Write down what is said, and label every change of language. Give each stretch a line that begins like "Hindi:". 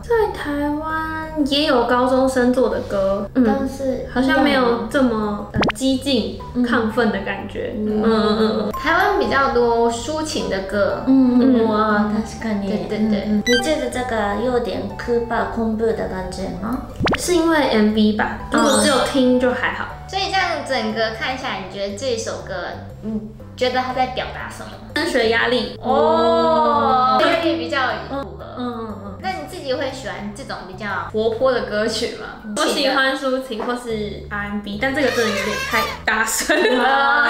Chinese: 在台湾也有高中生做的歌，但是好像没有这么激进、亢奋的感觉。台湾比较多抒情的歌，
Japanese: 哇，確かに。
Chinese: 对对对，你觉得这个有点可怕、恐怖的感觉吗？是因为 MV 吧，如果只有听就还好。所以这样整个看下来，你觉得这首歌，你觉得它在表达什么？升学压力哦，所以比较符合。那你自己会喜欢这种比较活泼的歌曲吗？我喜欢抒情或是 R&B， 但这个真的有点太大声了，